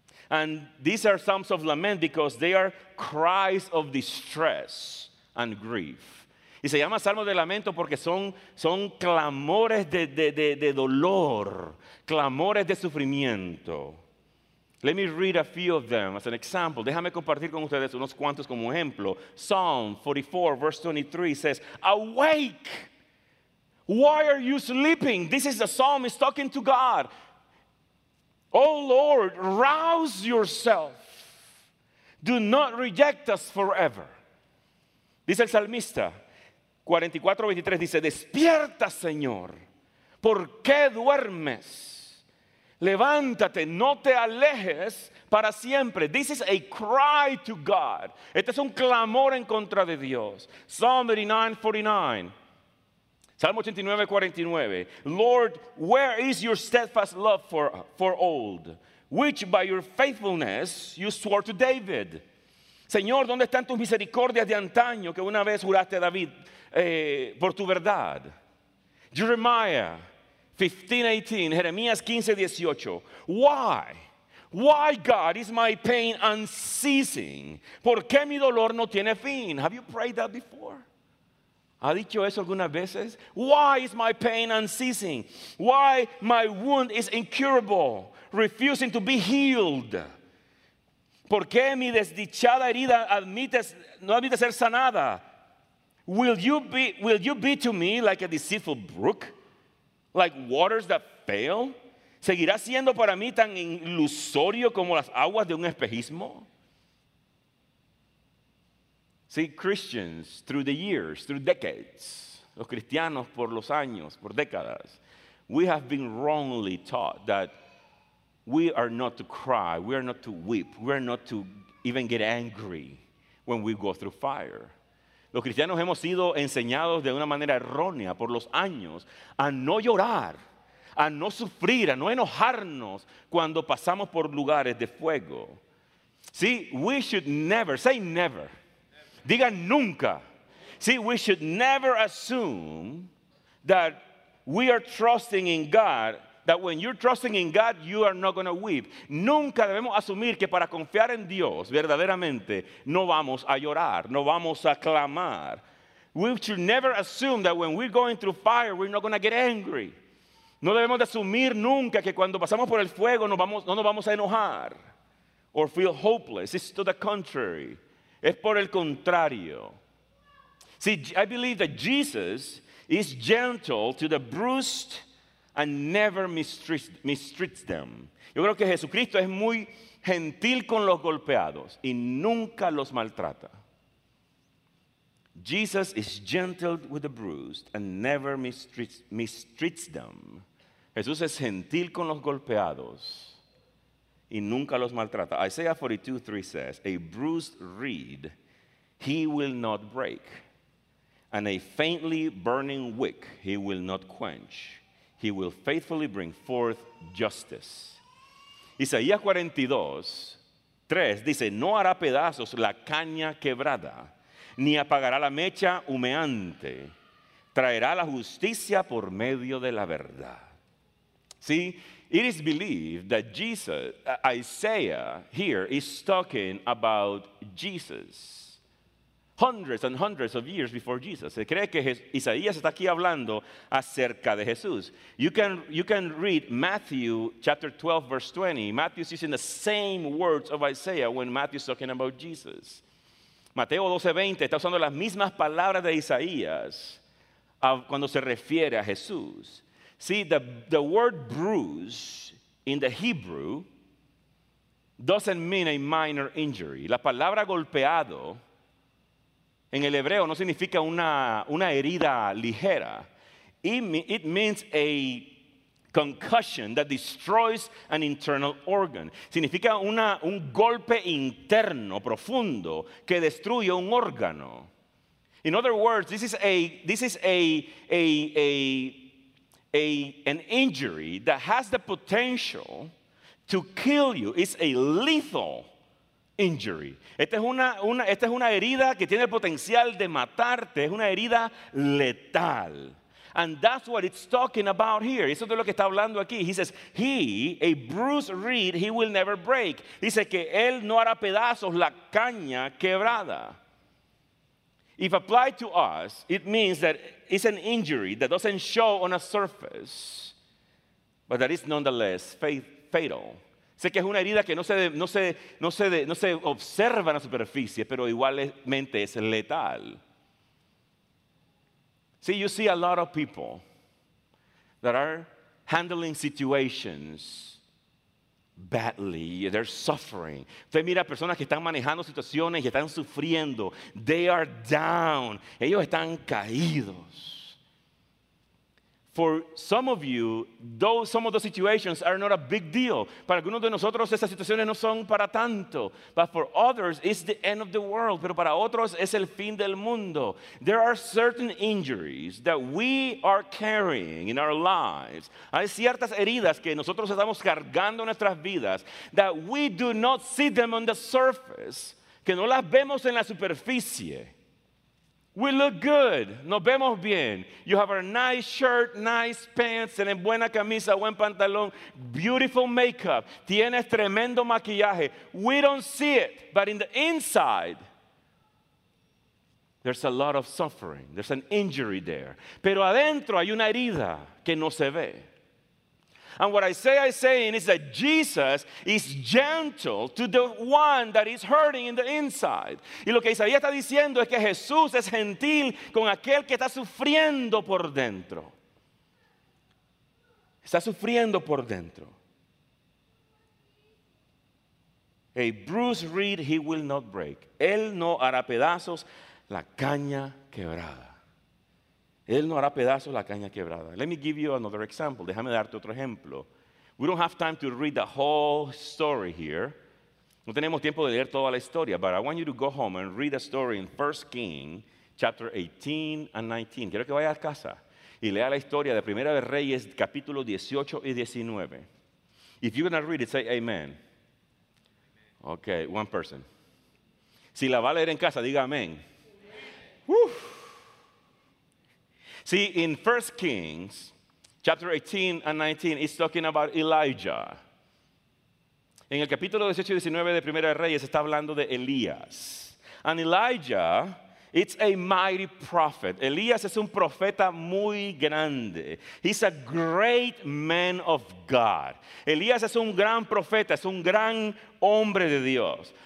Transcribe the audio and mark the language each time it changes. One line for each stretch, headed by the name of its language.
English: And these are Psalms of Lament because they are cries of distress and grief.
Spanish: Y se llama Salmos de Lamento porque son clamores de dolor, clamores de sufrimiento.
English: Let me read a few of them as an example.
Spanish: Déjame compartir con ustedes unos cuantos como ejemplo.
English: Psalm 44, verse 23 says, awake! Why are you sleeping? This is the psalmist talking to God. Oh Lord, rouse yourself. Do not reject us forever.
Spanish: Dice el salmista, 44, 23, dice, despierta, Señor. ¿Por qué duermes? Levántate, no te alejes para siempre.
English: This is a cry to God.
Spanish: Este es un clamor en contra de Dios.
English: Psalm 89, 49. Psalm 89, 49. Lord, where is your steadfast love for old, which by your faithfulness you swore to David?
Spanish: Señor, ¿dónde están tus misericordias de antaño que una vez juraste a David por tu verdad?
English: Jeremiah 15, 18, Jeremías 15, 18. Why, God, is my pain unceasing?
Spanish: ¿Por qué mi dolor no tiene fin?
English: Have you prayed that before?
Spanish: ¿Ha dicho eso algunas veces?
English: Why is my pain unceasing? Why my wound is incurable, refusing to be healed?
Spanish: ¿Por qué mi desdichada herida no admite ser sanada?
English: Will you be to me like a deceitful brook? Like waters that fail?
Spanish: ¿Seguirá siendo para mí tan ilusorio como las aguas de un espejismo?
English: See, Christians, through the years, through decades,
Spanish: los cristianos por los años, por décadas,
English: we have been wrongly taught that we are not to cry, we are not to weep, we are not to even get angry when we go through fire.
Spanish: Los cristianos hemos sido enseñados de una manera errónea por los años a no llorar, a no sufrir, a no enojarnos cuando pasamos por lugares de fuego.
English: See, we should never, say never.
Spanish: Diga nunca.
English: See, we should never assume that we are trusting in God, that when you're trusting in God, you are not going to weep.
Spanish: Nunca debemos asumir que para confiar en Dios, verdaderamente, no vamos a llorar, no vamos a clamar.
English: We should never assume that when we're going through fire, we're not going to get angry.
Spanish: No debemos de asumir nunca que cuando pasamos por el fuego no nos vamos a enojar
English: or feel hopeless. It's to the contrary.
Spanish: Es por el contrario.
English: See, I believe that Jesus is gentle to the bruised and never mistreats them.
Spanish: Yo creo que Jesucristo es muy gentil con los golpeados y nunca los maltrata.
English: Jesus is gentle with the bruised and never mistreats them.
Spanish: Jesús es gentil con los golpeados y nunca los maltrata.
English: Isaiah 42:3 says, a bruised reed he will not break, and a faintly burning wick he will not quench. He will faithfully bring forth justice.
Spanish: Isaías 42:3 dice, no hará pedazos la caña quebrada, ni apagará la mecha humeante. Traerá la justicia por medio de la verdad.
English: See, it is believed that Jesus, Isaiah here is talking about Jesus. Hundreds and hundreds of years before Jesus.
Spanish: Se cree que Isaías está aquí hablando acerca de Jesús.
English: You can read Matthew chapter 12, verse 20. Matthew is using the same words of Isaiah when Matthew is talking about Jesus.
Spanish: Mateo 12, 20 está usando las mismas palabras de Isaías cuando se refiere a Jesús.
English: See, the word bruise in the Hebrew doesn't mean a minor injury.
Spanish: La palabra golpeado en el hebreo no significa una herida ligera.
English: It means a concussion that destroys an internal organ.
Spanish: Significa un golpe interno profundo que destruye un órgano.
English: In other words, this is an injury that has the potential to kill you. It's a lethal injury.
Spanish: Esta es una herida que tiene el potencial de matarte. Es una herida letal.
English: And that's what it's talking about here.
Spanish: Eso es lo que está hablando aquí.
English: He says, he, a bruised reed, he will never break.
Spanish: Dice que él no hará pedazos la caña quebrada.
English: If applied to us, it means that it's an injury that doesn't show on a surface, but that is nonetheless fatal.
Spanish: Sé que es una herida que no se observa en la superficie, pero igualmente es letal.
English: See, you see a lot of people that are handling situations badly. They're suffering.
Spanish: Usted mira personas que están manejando situaciones y están sufriendo.
English: They are down.
Spanish: Ellos están caídos.
English: For some of you, some of those situations are not a big deal.
Spanish: Para algunos de nosotros, esas situaciones no son para tanto.
English: But for others, it's the end of the world.
Spanish: Pero para otros, es el fin del mundo.
English: There are certain injuries that we are carrying in our lives.
Spanish: Hay ciertas heridas que nosotros estamos cargando en nuestras vidas
English: that we do not see them on the surface.
Spanish: Que no las vemos en la superficie.
English: We look good.
Spanish: Nos vemos bien.
English: You have a nice shirt, nice pants,
Spanish: tienes buena camisa, buen pantalón,
English: beautiful makeup,
Spanish: tienes tremendo maquillaje.
English: We don't see it, but in the inside, there's a lot of suffering. There's an injury there.
Spanish: Pero adentro hay una herida que no se ve.
English: And what Isaiah is saying is that Jesus is gentle to the one that is hurting in the inside.
Spanish: Y lo que Isaías está diciendo es que Jesús es gentil con aquel que está sufriendo por dentro. Está sufriendo por dentro.
English: A bruised reed he will not break.
Spanish: Él no hará pedazos la caña quebrada. Él no hará pedazos la caña quebrada.
English: Let me give you another example.
Spanish: Déjame darte otro ejemplo.
English: We don't have time to read the whole story here.
Spanish: No tenemos tiempo de leer toda la historia,
English: but I want you to go home and read the story in 1 Kings chapter 18 and 19.
Spanish: Quiero que vayas a casa y lea la historia de Primera de Reyes capítulo 18 y 19.
English: If you're going to read it, say amen. Okay, one person.
Spanish: Si la va a leer en casa, diga amén.
English: See, in 1 Kings, chapter 18 and 19, it's talking about Elijah.
Spanish: En el capítulo 18 y 19 de Primera de Reyes, está hablando de Elías.
English: And Elijah, it's a mighty prophet.
Spanish: Elías es un profeta muy grande.
English: He's a great man of God.
Spanish: Elías es un gran profeta, es un gran hombre de Dios.